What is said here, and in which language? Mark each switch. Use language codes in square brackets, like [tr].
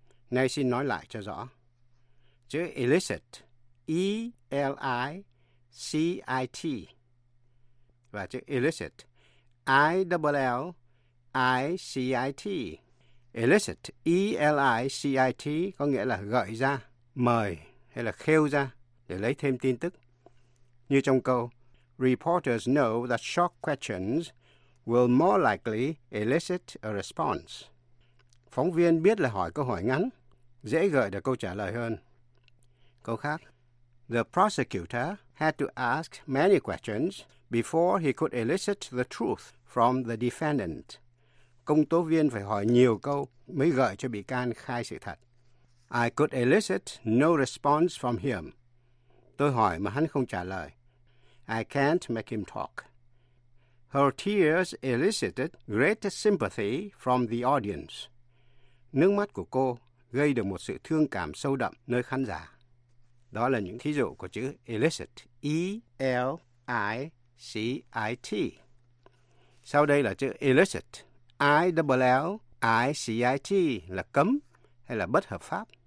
[vi] Nay xin nói lại cho rõ. Chữ illicit, E-L-I-C-I-T, và chữ illicit, I-L-L-I-C-I-T. Illicit, E-L-I-C-I-T, có nghĩa là gợi ra, mời hay là khêu ra để lấy thêm tin tức. Như trong câu, [en] reporters know that short questions will more likely elicit a response. [vi] Phóng viên biết là hỏi câu hỏi ngắn, dễ gợi được câu trả lời hơn. Câu khác, [en] the prosecutor had to ask many questions before he could elicit the truth from the defendant. [vi] Công tố viên phải hỏi nhiều câu mới gợi cho bị can khai sự thật. [en] I could elicit no response from him. [vi] Tôi hỏi mà hắn không trả lời. [en] I can't make him talk. Her tears elicited great sympathy from the audience. [vi] Nước mắt của cô gây được một sự thương cảm sâu đậm nơi khán giả. Đó là những thí dụ của chữ elicit, E-L-I-C-I-T. Sau đây là chữ elicit, I-L-L-I-C-I-T, là cấm hay là bất hợp pháp.